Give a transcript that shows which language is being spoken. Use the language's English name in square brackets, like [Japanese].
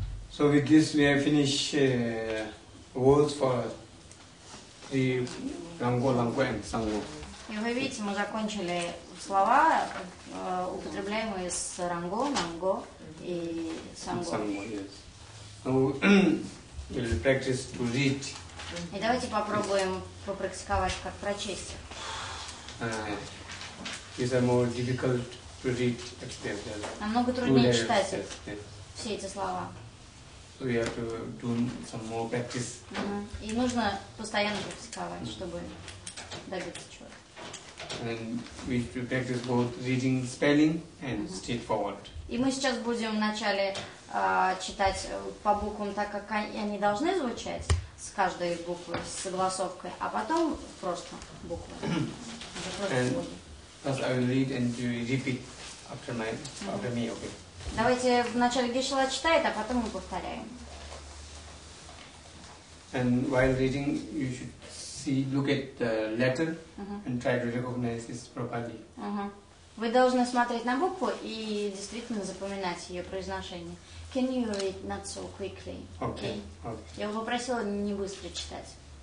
[English] So with this we have finished words for the Ranggo, Langgo and Sanggo. [Russian] И вы видите, мы закончили слова, употребляемые с Ранго, Нанго и Санго. [English] Yes. [Russian] И давайте попробуем попрактиковать, как прочесть. [English] These are more difficult to read actually. [Russian] Намного труднее layers, читать [English] yes. [Russian] все эти слова. [English] So we have to do some more practice. [Russian] И нужно постоянно практиковать, чтобы добиться чего-то. [English] And we will practice both reading spelling and straightforward. [Russian] И мы сейчас будем вначале читать по буквам так, как они должны звучать с каждой буквы с согласовкой, а потом просто буквы. [English] And I will read and you repeat after my after me, okay? [Russian] Давайте вначале Гешла читает, а потом мы повторяем. [English] And while reading, you should. See, look at the letter and try to recognize it properly. [Russian] Вы должны смотреть на букву и действительно запоминать ее произношение. [English] Can you read not so quickly? Okay. [Russian] Я бы попросила не быстро читать.